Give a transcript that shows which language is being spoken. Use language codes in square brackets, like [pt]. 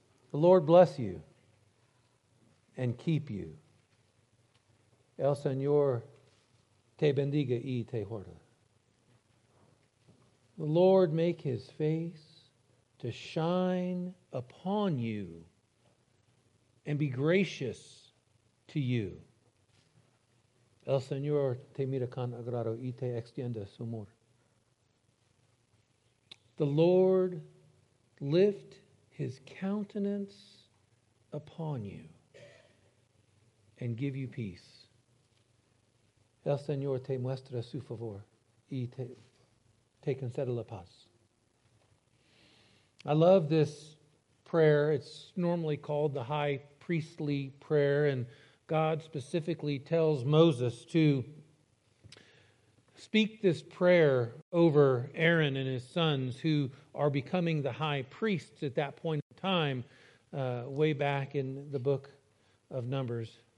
[en] The Lord bless you and keep you. [es] El Señor te bendiga y te guarde. [en] The Lord make His face to shine upon you and be gracious to you. [es] El Señor te mira con agrado y te extiende su amor. [en] The Lord lift His countenance upon you and give you peace. [es] El Señor te muestra su favor y te concede la paz. [en] I love this prayer. It's normally called the high priestly prayer, and God specifically tells Moses to speak this prayer over Aaron and his sons, who are becoming the high priests at that point in time, way back in the book of Numbers.